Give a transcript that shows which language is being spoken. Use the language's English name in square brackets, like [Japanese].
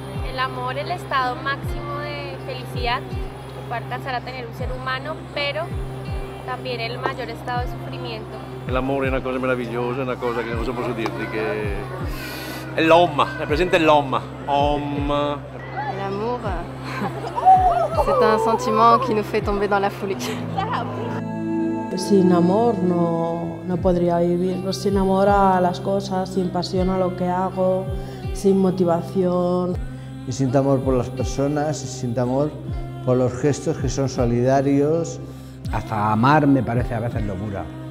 [Spanish] El amor, el estado máximo de felicidad que puede alcanzar a tener un ser humano, pero también el mayor estado de sufrimiento. El amor es una cosa maravillosa, una cosa que no se puede decir, que el OM, representa el OM. El amor. [French] C'est un sentiment qui nous fait tomber dans la folie. [Spanish] Sin amor no podría vivir. Sin amor a las cosas, sin pasión a lo que hago, sin motivación. Y sin amor por las personas, y sin amor por los gestos que son solidarios. Hasta amar me parece a veces locura.